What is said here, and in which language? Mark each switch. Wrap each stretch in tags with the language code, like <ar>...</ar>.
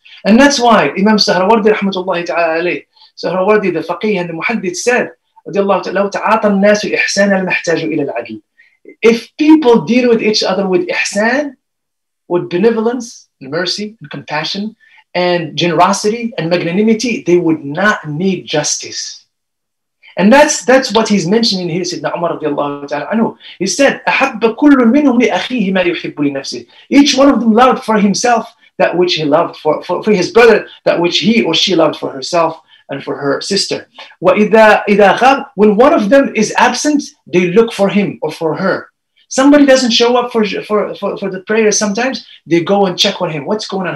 <en>And that's why Imam Sahrawardi, rahmatullahi ta'ala alayh, Sahrawardi, the faqih and the muhaddith, said,</en> <ar>لَوْ تَعَاطَ النَّاسُ إِحْسَانَ الْمَحْتَاجُ إِلَى الْعَدْلِ.</ar> <en>If people deal with each other with ihsan, with benevolence, and mercy, and compassion, and generosity, and magnanimity, they would not need justice. And that's what he's mentioning here, Sidna Umar radiallahu ta'ala anhu. He said,</en> <ar>أَحَبَّ كُلٌّ مِّنْهُمْ لِأَخِيهِ مَا يُحِبُّ لِنَفْسِهِ.</ar> <en>Each one of them loved for himself that which he loved for his brother, that which he or she loved for herself and for her sister.</en> <ar>وَإِذَا غَابَ,</ar> <en>when one of them is absent, they look for him or for her. Somebody doesn't show up for the prayer sometimes, they go and check on him. What's going on?</en>